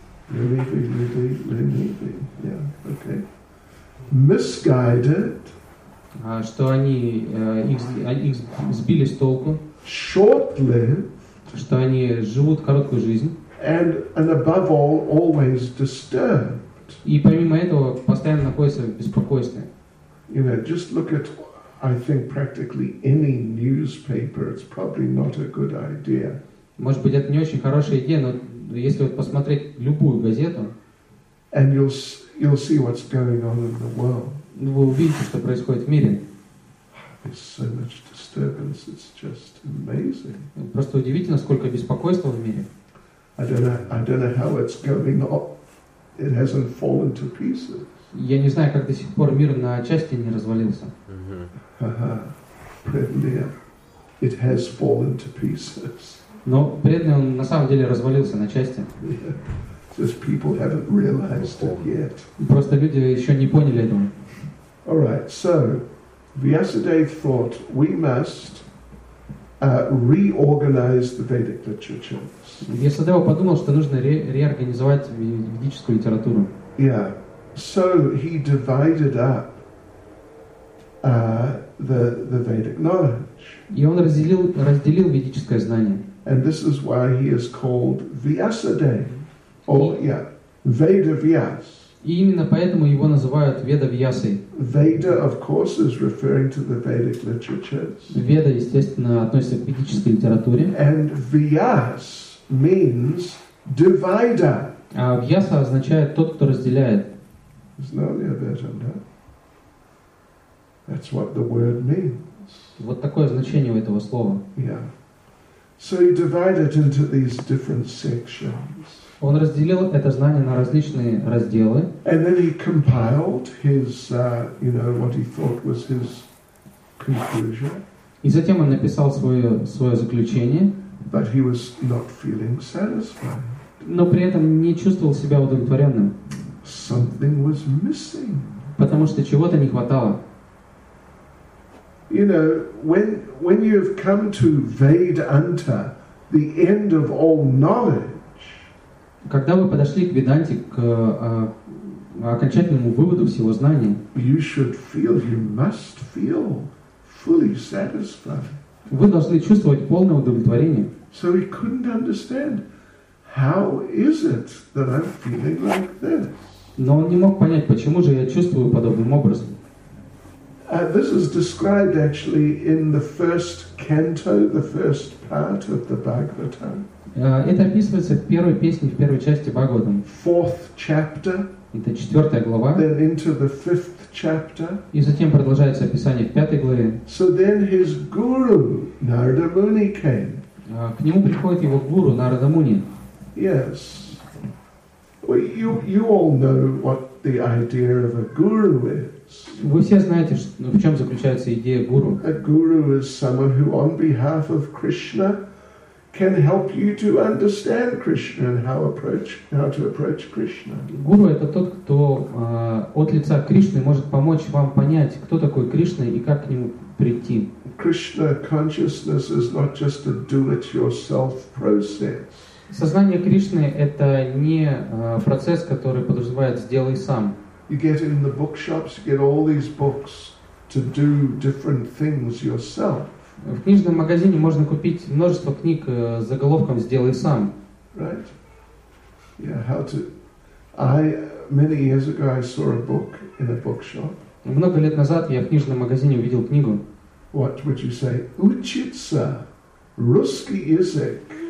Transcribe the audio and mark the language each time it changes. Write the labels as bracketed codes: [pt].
[ru] Ленивые. [en] Yeah, okay. Misguided, [ru] что они их сбили с толку, [en] short-lived, [ru] что они живут короткую жизнь, [en] and above all, always disturbed. [ru] И помимо этого постоянно находятся в беспокойстве. [en] You know, just look at, I think, practically any newspaper. It's probably not a good idea. [ru] Может быть, это не очень хорошая идея, но если вот посмотреть любую газету. [en] And you'll see what's going on in the world. [ru] Вы увидите, что происходит в мире. [en] There's so much disturbance. It's just amazing. [ru] Просто удивительно, сколько беспокойства в мире. [en] I don't know how it's going on. It hasn't fallen to pieces. [ru] Я не знаю, как до сих пор мир на части не развалился. Преданный, [en] it has fallen to pieces. [ru] Но преданный он на самом деле развалился на части. [en] Just people haven't realized it yet. [ru] Просто люди еще не поняли этого. [en] All right, so Vyasadeva thought we must reorganize the Vedic literatures. [ru] Vyasadeva подумал, что нужно реорганизовать ведическую литературу. [en] Yeah, so he divided up the Vedic knowledge. [ru] И он разделил ведическое знание. [en] And this is why he is called Vyasadeva. Oh yeah, Veda Vyas. [ru] И именно поэтому его называют Веда Вьясой. [en] Veda, of course, is referring to the Vedic literatures. [ru] Веда, естественно, относится к ведической литературе. [en] And Vyas means divider. [ru] А Вьяса означает тот, кто разделяет. [en] It's not only a better, no? That's what the word means. [ru] Вот такое значение у этого слова. [en] Yeah. So he divided into these different sections. [ru] Он разделил это знание на различные разделы. [en] And then he compiled his, you know, what he thought was his conclusion. [ru] И затем он написал свое заключение. [en] But he was not feeling satisfied. [ru] Но при этом не чувствовал себя удовлетворенным. [en] Something was missing. [ru] Потому что чего-то не хватало. [en] You know, when you've come to Vedanta, the end of all knowledge. [ru] Когда вы подошли к Веданте, к окончательному выводу всего знания, [en] you should feel, you must feel fully satisfied. [ru] Вы должны чувствовать полное удовлетворение. [en] So he couldn't understand, how is it that I'm feeling like this? [ru] Но он не мог понять, почему же я чувствую подобным образом. [en] This is described actually in the first canto, the first part of the Bhagavatam. [ru] Это описывается в первой песне, в первой части Бхагаватам. [en] Fourth chapter. [ru] Это четвертая глава. [en] Then into the fifth chapter. [ru] И затем продолжается описание в пятой главе. [en] So then his guru Narada Muni came. [ru] К нему приходит его гуру Нарада Муни. [en] Yes. Well, you all know what the idea of a guru is. [ru] Вы все знаете, в чем заключается идея гуру. [en] A guru is someone who, on behalf of Krishna, can help you to understand Krishna and how to approach Krishna. [ru] Гуру это тот, кто от лица Кришны может помочь вам понять, кто такой Кришна и как к нему прийти. [en] Krishna consciousness is not just a do-it-yourself process. [ru] Сознание Кришны – это не процесс, который подразумевает «сделай сам». [en] You get in the bookshops, you get all these books to do different things yourself. [ru] В книжном магазине можно купить множество книг с заголовком «сделай сам». [en] Right? Yeah, how to... Many years ago I saw a book in a bookshop. [ru] Много лет назад я в книжном магазине увидел книгу. [en] What would you say? [ru] Учиться русский язык.